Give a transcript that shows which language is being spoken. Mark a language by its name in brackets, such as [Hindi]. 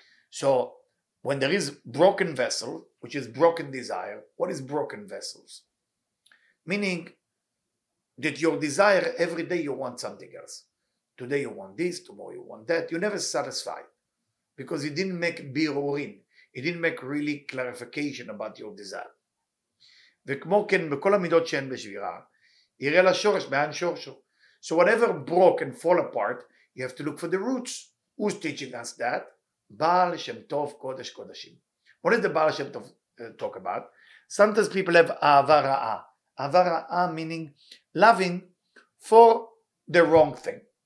[English] So when there is broken vessel, which is broken desire, what is broken vessels? Meaning that your desire, every day you want something else. Today you want this, tomorrow you want that. You're never satisfied because you didn't make birurin. You didn't make really clarification about your desire. [Hebrew] וכמו כן בכל המידות שאין בשבירה יראה לשורש מעין שורשו. [English] So whatever broke and fall apart, you have to look for the roots. Who's teaching us that? בעל שם טוב קודש קודשים. What is the בעל שם טוב talk about? Sometimes people have אהבה רעה. אהבה רעה meaning loving for the wrong thing.